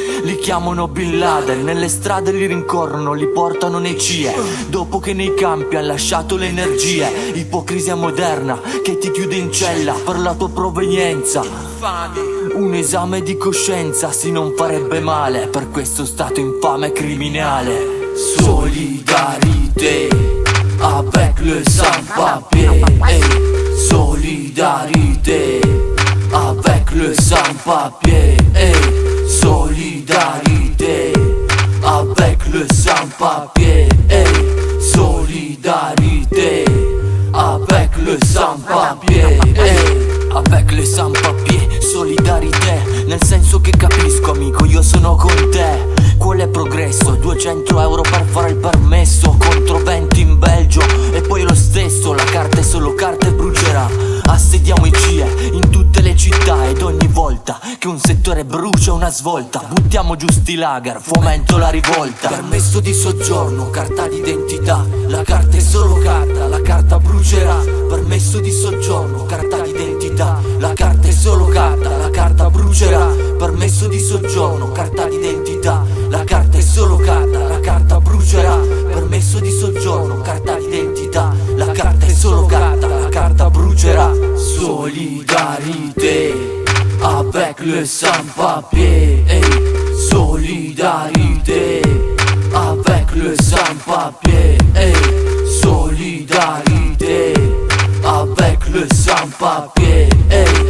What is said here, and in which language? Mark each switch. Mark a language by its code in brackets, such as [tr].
[it] Li chiamano Bin Laden, nelle strade li rincorrono, li portano nei CIE. Dopo che nei campi han lasciato le energie. Ipocrisia moderna che ti chiude in cella per la tua provenienza. Un esame di coscienza si non farebbe male per questo stato infame e criminale. [fr] Solidarité avec le sans-papier, hey. Solidarité avec le sans-papier, hey. Solidarité avec le sans-papier, hey. Solidarité avec le sans-papier, hey. Avec le sans-papier, solidarité. [it] Nel senso che capisco, amico, io sono con te. Qual è progresso? 200 euro per fare il permesso. Contro 20 in Belgio. E poi lo stesso, la carta è solo carta e brucerà. Assediamo i CIE in tutte le città. Ed ogni volta che un settore brucia una svolta, buttiamo giù sti lager, fomento la rivolta. Permesso di soggiorno, carta d'identità. La carta è solo carta, la carta brucerà. Permesso di soggiorno, carta d'identità. La carta è solo carta, la carta brucerà. Permesso di soggiorno, carta d'identità. La carta è solo carta, la carta brucerà. Permesso di soggiorno, carta d'identità. La carta è solo carta, la carta brucerà. [fr] Solidarité avec le sans-papier, hey. Solidarité avec le sans-papier, hey. Solidarité avec le sans-papier, hey.